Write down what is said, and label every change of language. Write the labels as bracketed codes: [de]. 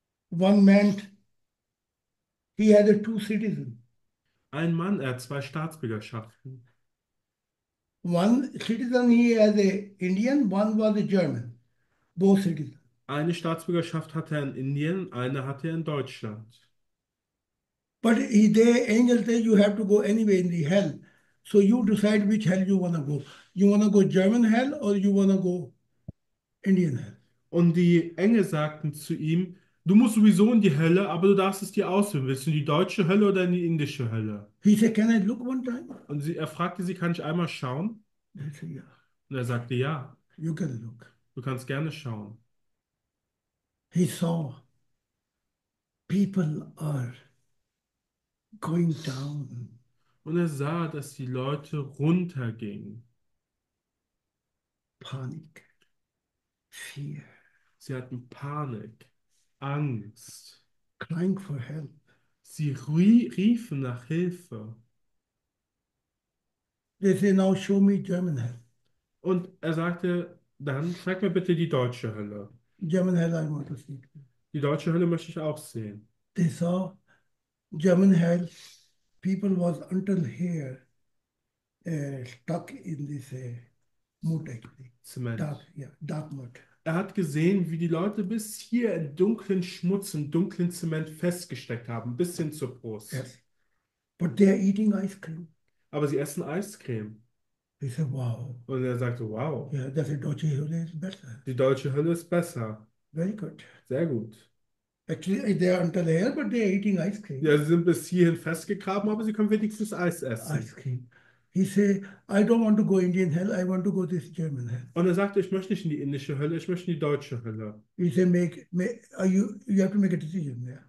[en] One man, he had a two citizen. [de] Ein Mann, er hat zwei Staatsbürgerschaften. [en] One citizen, he had a Indian, one was a German. Both citizen. [de] Eine Staatsbürgerschaft hat er in Indien, eine hat er in Deutschland. [en] But the angel said, you have to go anyway in the hell. So you decide which hell you want to go. You want to go German hell or you want to go Indian hell? [de] Und die Engel sagten zu ihm: Du musst sowieso in die Hölle, aber du darfst es dir auswählen. Willst du in die deutsche Hölle oder in die indische Hölle? [en] He said, can I look one time? [de] Und er fragte sie: Kann ich einmal schauen? [en] They said, yeah. [de] Und er sagte: Ja, [en] You can look. [de] du kannst gerne schauen. [en] He saw people are going down. [de] Und er sah, dass die Leute runtergingen. [en] Panik. Fear. [de] Sie hatten Panik, Angst. [en] Crying for help. [de] Sie riefen nach Hilfe. [en] They say, now show me German hell. [de] Und er sagte: Dann zeig mir bitte die deutsche Hölle. [en] German hell, I want to see. [de] Die deutsche Hölle möchte ich auch sehen. [en] They saw German hell. People was until here stuck in this mud actually. [de] Zement. [en] Dark, yeah, dark mud. [de] Er hat gesehen, wie die Leute bis hier in dunklen Schmutz und dunklen Zement festgesteckt haben, bis hin zur Brust. [en] Yes. But they are eating ice cream. [de] Aber sie essen Eiscreme. [en] He said, wow. [de] Und er sagte: Wow, [en] Yeah, that's a [de] deutsche Hölle [en] is better. [de] die deutsche Hölle ist besser. [en] Very good. [de] Sehr gut. [en] Actually, they are until here, but they are eating ice [de] Ja, [en] cream. [de] sie sind bis hierhin festgegraben, aber sie können wenigstens Eis [en] Ice [de] essen. [en] cream. He said, I don't want to go Indian hell, I want to go this German hell. [de] Und er sagte: Ich möchte nicht in die indische Hölle, ich möchte in die deutsche Hölle. [en] He said, you have to make a decision there.